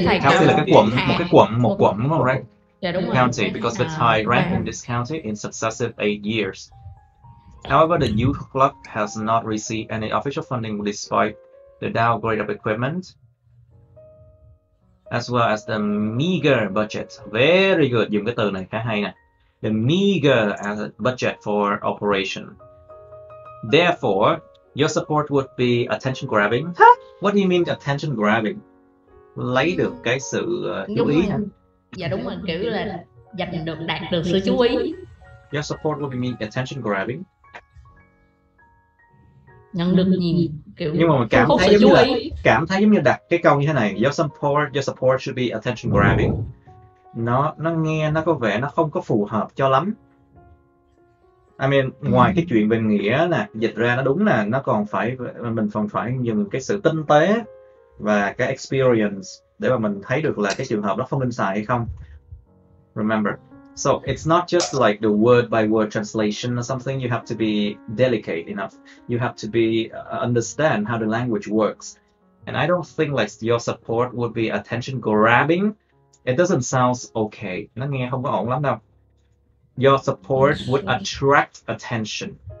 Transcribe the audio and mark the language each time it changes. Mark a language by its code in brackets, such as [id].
[vi] là cái quận, một cái quận, một quận đúng không, right? Dạ đúng rồi. [en] County, because the Thai ranked in this county in successive 8 years. However, the youth club has not received any official funding despite the downgrade of equipment, as well as the meager budget. Very good, [vi] dùng cái từ này khá hay nè. [en] The meager budget for operation. Therefore, your support would be attention grabbing. What do you mean attention grabbing? [vi] Lấy được cái sự chú ý. Dạ đúng rồi, kiểu là giành được, đạt được sự chú ý. [en] Your support would mean attention grabbing. [vi] Nhận được nhiều kiểu. Nhưng mà mình cảm thấy giống như là cảm thấy giống như đặt cái câu như thế này, [en] your support should be attention grabbing. [vi] Nó nghe nó có vẻ nó không có phù hợp cho lắm. [en] I mean, [vi] ngoài cái chuyện về nghĩa nè, dịch ra nó đúng nè, nó còn phải mình còn phải dùng cái sự tinh tế và cái experience để mà mình thấy được là cái trường hợp đó không nên xài hay không. [en] Remember, so it's not just like the word by word translation or something. You have to be delicate enough, you have to be understand how the language works. And I don't think like your support would be attention grabbing. It doesn't sound okay. [vi] Nó nghe không có ổn lắm đâu. [en] Your support would attract attention.